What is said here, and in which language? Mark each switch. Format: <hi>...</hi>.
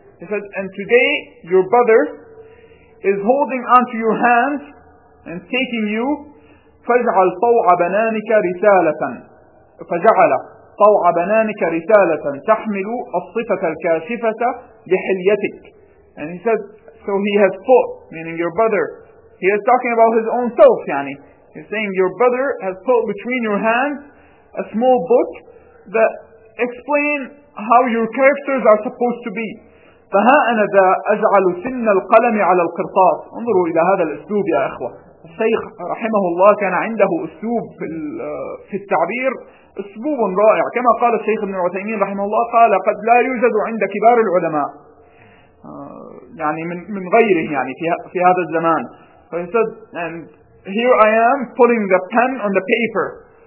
<en>He says, and today your brother is holding onto your hands and taking you.</en> <ar>فاجعل طوع بنانك رسالة فجعل طوع بنانك رسالة تحمل الصفة الكاشفة لحليتك.</ar> <en>And he said, so he has put, meaning your brother, he is talking about his own self, يعني. He's saying, your brother has put between your hands a small book that explain how your characters are supposed to be.</en> <ar>فها أنا ذا أجعل سن القلم على القرطاس. انظروا إلى هذا الأسلوب يا أخوة. الشيخ رحمه الله كان عنده أسلوب في التعبير أسلوب رائع. كما قال الشيخ ابن عثيمين رحمه الله, قال قد لا يوجد عند كبار العلماء يعني من غيره يعني في هذا الزمان.</ar> <en>He said, and here I am pulling the pen on the paper.</en>